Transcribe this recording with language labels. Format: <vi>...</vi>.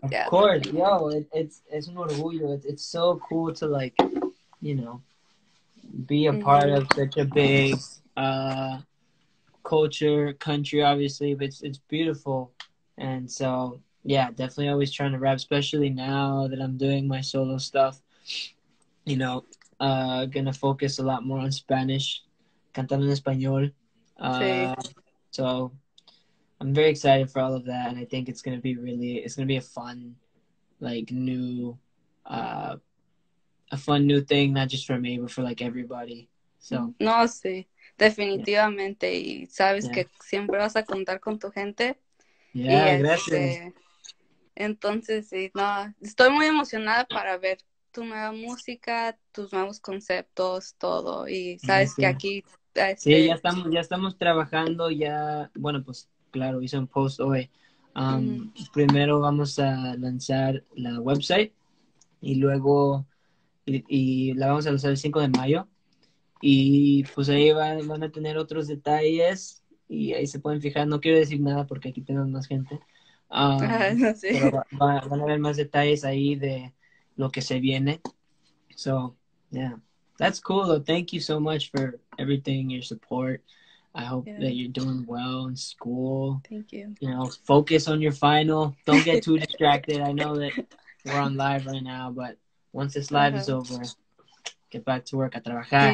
<en>Of course, yo, it's</en> <es>un orgullo,</es> <en>it's so cool to, like, you know, be a part of such a big culture, country, obviously, but it's beautiful, and so, yeah, definitely always trying to rap, especially now that I'm doing my solo stuff, you know, gonna focus a lot more on Spanish,</en> <es>cantando en español.</es> <en>So I'm very excited for all of that, and I think it's gonna be a fun, like new thing, not just for me but for like everybody. So</en> <es>no, sí, definitivamente. Yeah. Y sabes que siempre vas a contar con tu gente. Yeah, gracias. Entonces sí, no, estoy muy emocionada para ver tu nueva música, tus nuevos conceptos, todo, y sabes que aquí... Ya estamos trabajando, ya, bueno, pues, claro, hice un post hoy. Primero vamos a lanzar la website, y luego, y la vamos a lanzar el 5 de mayo, y pues ahí van a tener otros detalles, y ahí se pueden fijar, no quiero decir nada porque aquí tenemos más gente, pero van a ver más detalles ahí de lo que se viene.</es> <en>So, yeah. That's cool, though. Thank you so much for everything, your support. I hope that you're doing well in school. Thank you. You know, focus on your final. Don't get too distracted. I know that we're on live right now, but once this live is over, get back to work.</en> <es>A trabajar.</es>